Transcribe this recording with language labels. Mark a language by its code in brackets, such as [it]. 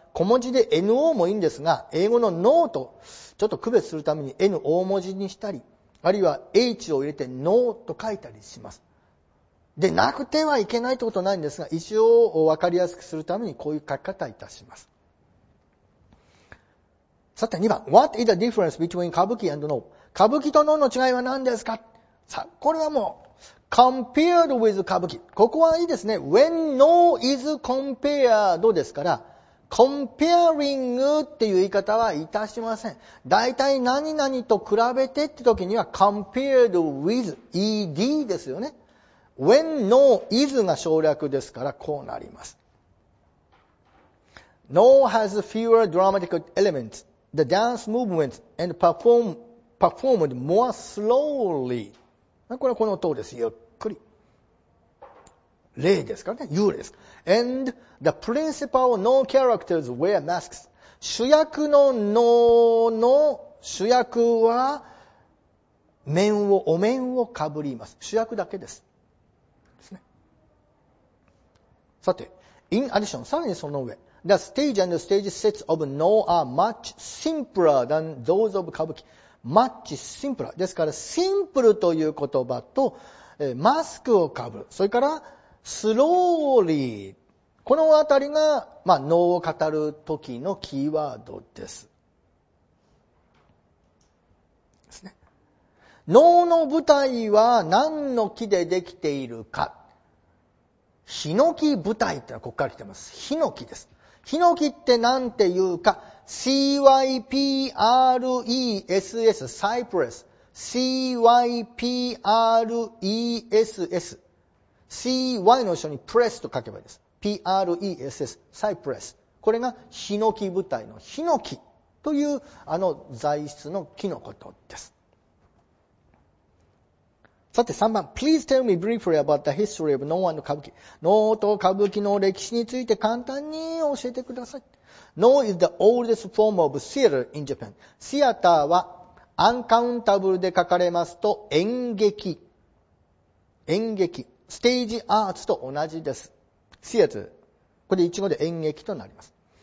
[ja] 小文字で NO もいいんですが、英語の NO とちょっと区別するために N 大文字にしたり、あるいは H を入れて NO と書いたりします。でなくてはいけないということはないんですが、一応分かりやすくするためにこういう書き方いたします。さて2番、 [en] What is the difference between 歌舞伎 and NO? [ja] 歌舞伎と NO の違いは何ですか。さあこれはもう [en] compared with [ja] 歌舞伎、ここはいいですね。 [en] When NO is compared [ja] ですから、 [en] comparing [ja] っていう言い方はいたしません。大体何々と比べてって時には [en] compared with ed [ja] ですよね。 [en] when no is [ja] が省略ですからこうなります。 [en] no has fewer dramatic elements. The dance movements and performed more slowly. [ja] これはこの通りです。ゆっくり、例ですからね、幽霊です。 [en] And the principal no characters wear masks. [ja] 主役の no の主役は面を、お面をかぶります。主役だけです。ですね。さて、 [en] in addition, [ja] さらにその上、 [en] the stage and stage sets of no are much simpler than those of 歌舞伎。 much simpler。 [ja] ですから、シンプルという言葉と、マスクをかぶる。それから、スローリー、このあたりが、まあ、脳を語る時のキーワードです。ですね。脳の舞台は何の木でできているか。ヒノキ舞台ってのはここから来てます。ヒノキです。ヒノキって何て言うか、CYPRESS、サイプレス。 [en] CYPRESS。 [ja] CY の後ろにプレスと書けばいいです。 PRESS、サイプレス。これがヒノキ舞台のヒノキというあの材質の木のことです。 [en] さて3番、Please tell me briefly about the history of No and 歌舞伎。 [ja] No と歌舞伎の歴史について簡単に教えてください。 [en] No is the oldest form of theater in Japan. [ja] シアターはアンカウンタブルで書かれますと演劇。演劇。ステージアーツと同じです。シアツ。これで一語で演劇となります。